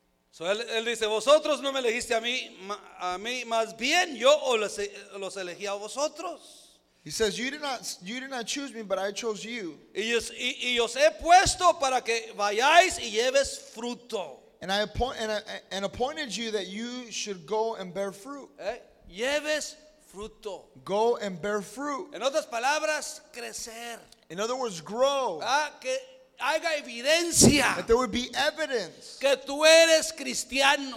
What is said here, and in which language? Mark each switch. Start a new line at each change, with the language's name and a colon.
Spanish: So él dice, vosotros no me elegiste a mí, más bien yo los elegí a vosotros.
English: He says, you did not choose me, but I chose you.
Spanish: Y os he puesto para que vayáis y lleves fruto.
English: And I appointed you that you should go and bear fruit.
Spanish: Lleves fruto.
English: Go and bear fruit.
Spanish: En otras palabras, crecer.
English: In other words, grow.
Spanish: Que haya evidencia.
English: That there would be evidence.
Spanish: Que tú eres cristiano.